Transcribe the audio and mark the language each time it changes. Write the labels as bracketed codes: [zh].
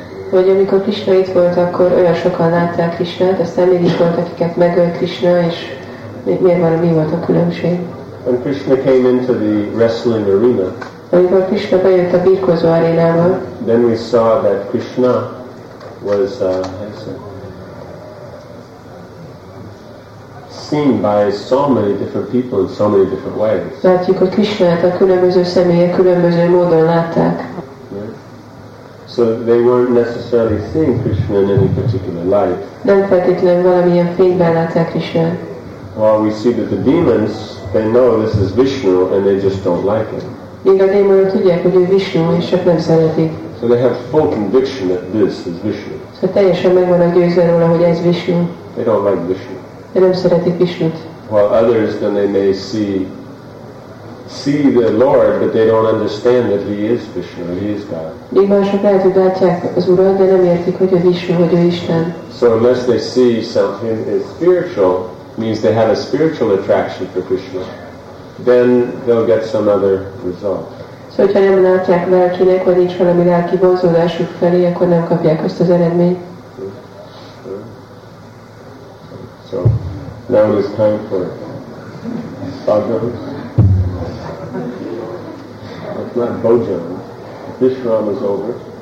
[hu] Vagy amikor Krishna itt volt, akkor olyan sokan látták Krishnát, aztán mégis volt, akiket megölt Krishna, és mi volt a különbség? [en] When Krishna came into the wrestling arena, [hu] amikor Krishna bejött a birkozó arénába, [en] then we saw that Krishna was seen by so many different people in so many different ways. [hu] Látjuk, hogy Krishnát a különböző személyek különböző módon látták. [en] So they weren't necessarily seeing Krishna in any particular light. [hu] Nem feltétlenül valamilyen fényben látták Krishnát. [en] While we see that the demons, they know this is Vishnu and they just don't like it. [hu] Még a démonok tudják, hogy ő Vishnu, és csak nem szeretik. [en] So they have full conviction that this is Vishnu. [hu] So teljesen meg vannak győzve róla, hogy ez Vishnu. [en] They don't like Vishnu. [hu] De nem szeretik Vishnut. [en] While others, then they may see the Lord, but they don't understand that he is Vishnu, he is God. [hu] Még mások lehet, hogy látják az Urat, de nem értik, hogy ő Vishnu, hogy ő Isten. [en] So unless they see something is spiritual, means they have a spiritual attraction for Krishna, then they'll get some other result. [hu] So hogyha nem látják lelkinek, vagy nincs valami lelki vonzódásuk felé, akkor nem kapják azt az eredményt. [en] So now it is time for Bhagavan. It's not Bhojan. Bishram is over.